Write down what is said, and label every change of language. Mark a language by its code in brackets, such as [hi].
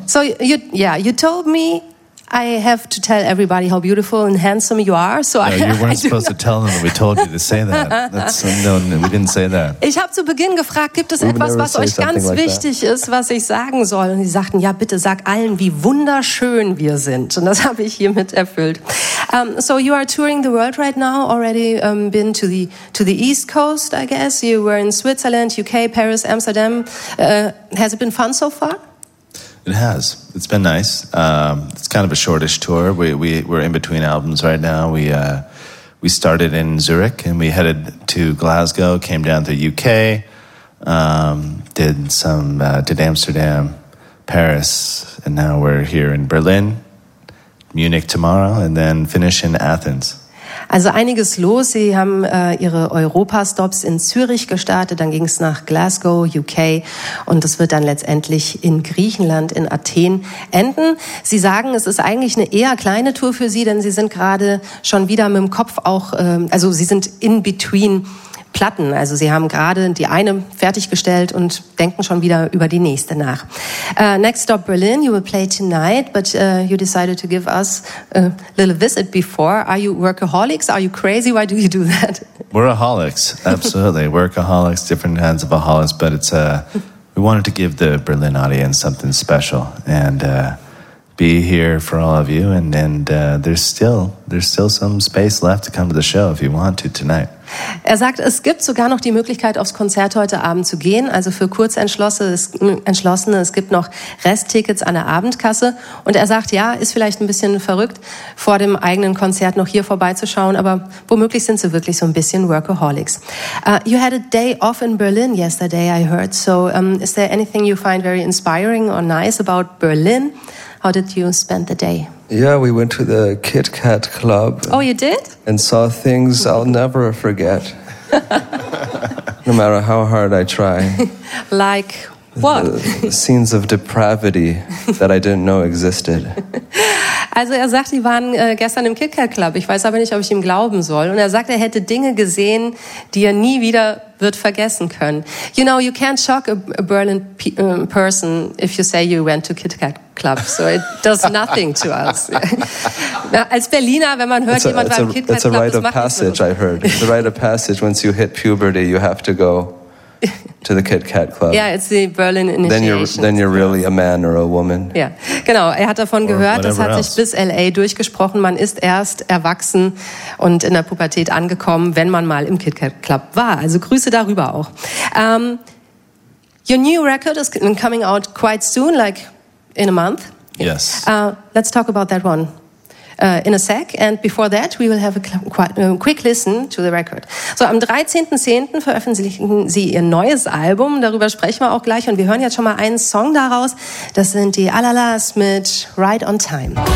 [en] So, you told me I have to tell everybody how beautiful and handsome you are. So no, you weren't supposed to tell them that we told you to say that. That's unknown. We didn't say that. [de] Ich habe zu Beginn gefragt, gibt es etwas, was euch ganz wichtig ist, was ich sagen soll? Und sie sagten, ja, bitte sag allen, wie wunderschön wir sind. Und das habe ich hiermit erfüllt. [en] So you are touring the world right now, already been to the East Coast, I guess. You were in Switzerland, UK, Paris, Amsterdam. Has it been fun so far? It has. It's been nice. It's kind of a shortish tour. We're in between albums right now. We started in Zurich and we headed to Glasgow, came down to UK, did Amsterdam, Paris, and now we're here in Berlin, Munich tomorrow, and then finish in Athens. [de] Also einiges los. Sie haben ihre Europa-Stops in Zürich gestartet, dann ging es nach Glasgow, UK, und das wird dann letztendlich in Griechenland, in Athen enden. Sie sagen, es ist eigentlich eine eher kleine Tour für Sie, denn Sie sind gerade schon wieder mit dem Kopf auch, also Sie sind [en] in between [de] Platten. Also Sie haben gerade die eine fertiggestellt und denken schon wieder über die nächste nach. [en] Next stop Berlin, you will play tonight, but you decided to give us a little visit before. Are you workaholics? Are you crazy? Why do you do that? Workaholics, absolutely. Workaholics, different kinds of aholics, but it's we wanted to give the Berlin audience something special and be here for all of you, and there's still some space left to come to the show if you want to tonight. [de] Er sagt, es gibt sogar noch die Möglichkeit, aufs Konzert heute Abend zu gehen. Also für Kurzentschlossene, es gibt noch Resttickets an der Abendkasse. Und er sagt, ja, ist vielleicht ein bisschen verrückt, vor dem eigenen Konzert noch hier vorbeizuschauen, aber womöglich sind sie wirklich so ein bisschen Workaholics. [en] You had a day off in Berlin yesterday, I heard. So is there anything you find very inspiring or nice about Berlin? How did you spend the day? Yeah, we went to the Kit Kat Club. Oh, you did? And saw things I'll never forget. No matter how hard I try. Like what? The scenes of depravity that I didn't know existed. [de] Also er sagt, die waren gestern im Kit Kat Club. Ich weiß aber nicht, ob ich ihm glauben soll. Und er sagt, er hätte Dinge gesehen, die er nie wieder wird vergessen können. [en] You know, you can't shock a Berlin person if you say you went to Kit Kat Club. So it does nothing to us. [de] Na, als Berliner, wenn man hört, jemand war im Kit Kat Club, [en] it's a rite of passage, I heard. It's a rite of passage. Once you hit puberty, you have to go to the Kit Kat Club. Yeah, it's the Berlin Initiation. Then you're really a man or a woman. [de] Yeah, genau. Er hat davon gehört, das hat sich bis L.A. durchgesprochen. Man ist erst erwachsen und in der Pubertät angekommen, wenn man mal im Kit Kat Club war. Also Grüße darüber auch. [en] Your new record is coming out quite soon, like in a month. Yes. Let's talk about that one. In a sec, and before that, we will have a quick listen to the record. [de] So, am 13.10. veröffentlichen sie ihr neues Album. Darüber sprechen wir auch gleich. Und wir hören jetzt schon mal einen Song daraus. Das sind die Alalas mit Right on Time.